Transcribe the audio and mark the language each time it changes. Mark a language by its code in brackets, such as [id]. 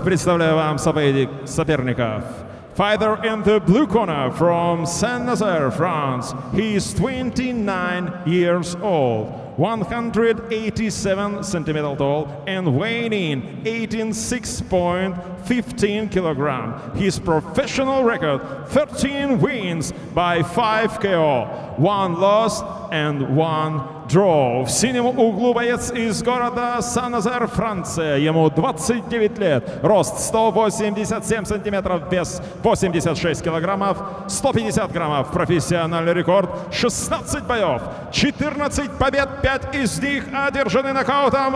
[ru] Представляю вам соперников. [en] Fighter in the blue corner from Saint-Nazaire, France. He is 29 years old, 187 centimeters tall, and weighing in 86.15 kilograms. His professional record: 13 wins by 5 KO, 1 loss and 1 draw. [ru] В синем углу боец из города Сан-Назар, Франция. Ему 29 лет. Рост 187 сантиметров, вес 86 килограммов, 150 граммов. Профессиональный рекорд: 16 боев, 14 побед, 5 из них одержаны нокаутом.